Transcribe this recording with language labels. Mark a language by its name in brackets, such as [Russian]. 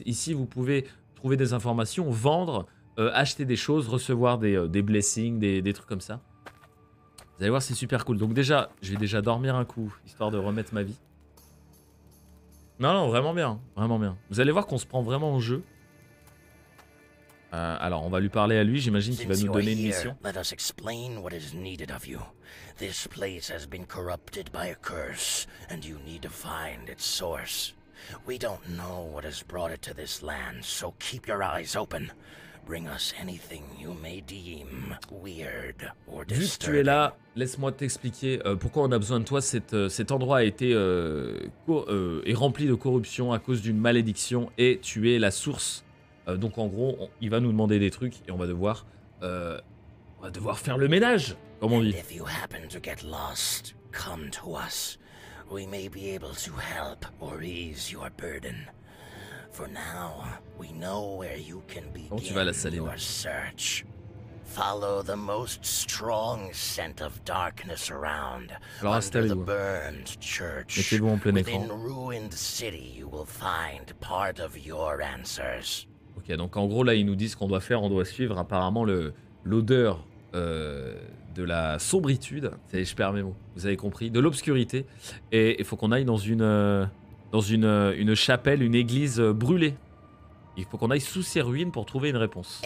[French] Ici, vous pouvez trouver des informations, vendre, acheter des choses, recevoir des blessings, des trucs comme ça. Vous allez voir, c'est super cool. Donc déjà, je vais déjà dormir un coup, histoire de remettre ma vie. Non, vraiment bien. Vraiment bien. Vous allez voir qu'on se prend vraiment au jeu. Alors, on va lui parler à lui. J'imagine qu'il va nous donner une mission. [English] Let us explain what is needed of you. This place has been corrupted by a curse, and you need to find its source. We don't know what has brought it to this land, so keep your eyes open. Bring us anything you may deem weird or disturbing. [French] Vu que tu es là, laisse-moi t'expliquer pourquoi on a besoin de toi. Cet endroit a été est rempli de corruption à cause d'une malédiction et tu es la source. Donc en gros, il va nous demander des trucs et on va devoir faire le ménage, comme on dit. [English] And if you happen to get lost, come to us. We may be able to help or ease your burden. For now, we know where you can begin your search. Follow the most strong scent of darkness around. [French] Alors, [English] under the burned church. [French] Mettez-vous en plein [English] within [French] écran. [English] Ruined city, you will find part of your answers. [French] Ok, donc en gros là, ils nous disent qu'on doit faire, on doit suivre apparemment l'odeur de la sombritude. Je perds mes mots. Vous avez compris, de l'obscurité. Et il faut qu'on aille dans une chapelle, une église brûlée. Il faut qu'on aille sous ces ruines pour trouver une réponse.